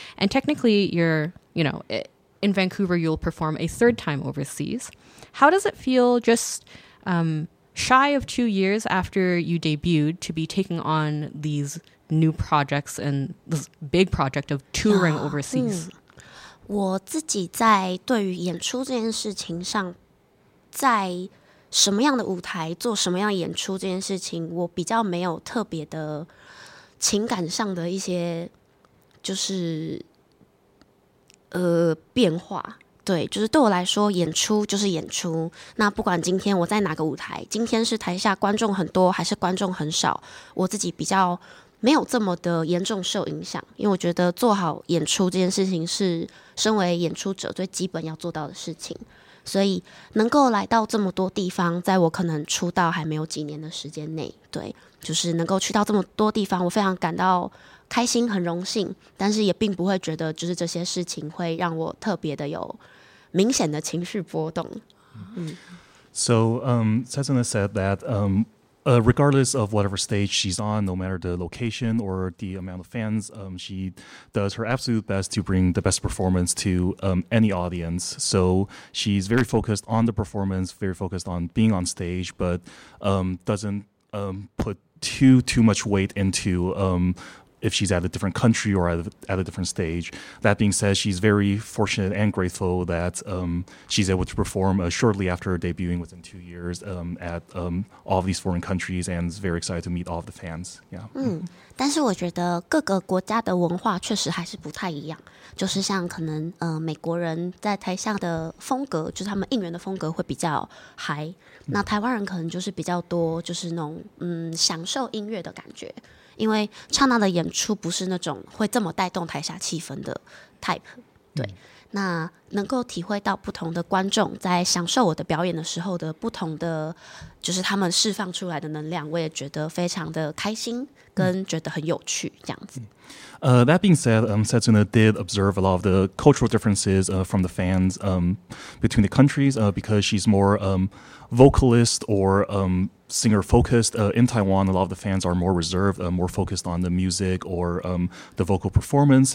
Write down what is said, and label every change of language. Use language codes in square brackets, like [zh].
[en] And technically, you're, you know, in Vancouver, you'll perform a third time overseas. How does it feel just shy of 2 years after you debuted to be taking on these new projects and this big project of touring overseas? [zh] 我自己在对于演出这件事情上在什么样的舞台做什么样演出这件事情我比较没有特别的情感上的一些就是变化对就是对我来说演出就是演出那不管今天我在哪个舞台今天是台下观众很多还是观众很少我自己比较没有这么的严重受影响因为我觉得做好演出这件事情是身为演出者最基本要做到的事情所以能够来到这么多地方，在我可能出道还没有几年的时间内，对，就是能够去到这么多地方，我非常感到开心，很荣幸，但是也并不会觉得就是这些事情会让我特别的有明显的情绪波动。 [en] So, Sazana said that regardless of whatever stage she's on, no matter the location or the amount of fans, she does her absolute best to bring the best performance to any audience. So she's very focused on the performance, very focused on being on stage, but doesn't put too much weight into if she's at a different country or at a different stage. That being said, she's very fortunate and grateful that she's able to perform shortly after debuting within 2 years at all of these foreign countries and is very excited to meet all of the fans. Yeah. [zh] 但是我觉得各个国家的文化确实还是不太一样，就是像可能美国人在台下的风格，就是他们应援的风格会比较high，那台湾人可能就是比较多就是那种享受音乐的感觉，因为唱那的演出不是那种会这么带动台下气氛的 type， 对，那能够体会到不同的观众在享受我的表演的时候的不同的就是他们释放出来的能量，我也觉得非常的开心跟觉得很有趣这样子。 [en] That being said, Setsuna did observe a lot of the cultural differences from the fans between the countries because she's more vocalist or singer focused. In Taiwan, a lot of the fans are more reserved, more focused on the music or the vocal performance.